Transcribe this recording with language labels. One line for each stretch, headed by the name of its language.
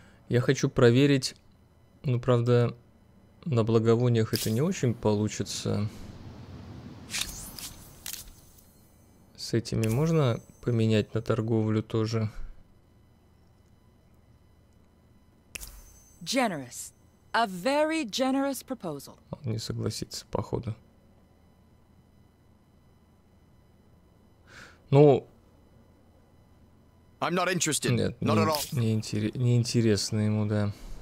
Russian: Я хочу проверить. Ну, правда, на благовониях это не очень получится. С этими можно поменять на торговлю тоже.
English: Generous. A very generous proposal.
Russian: Он не согласится, походу. Ну.
English: I'm not interested.
Russian: Нет,
English: not
Russian: не,
English: at all.
Russian: Не интересно ему, да.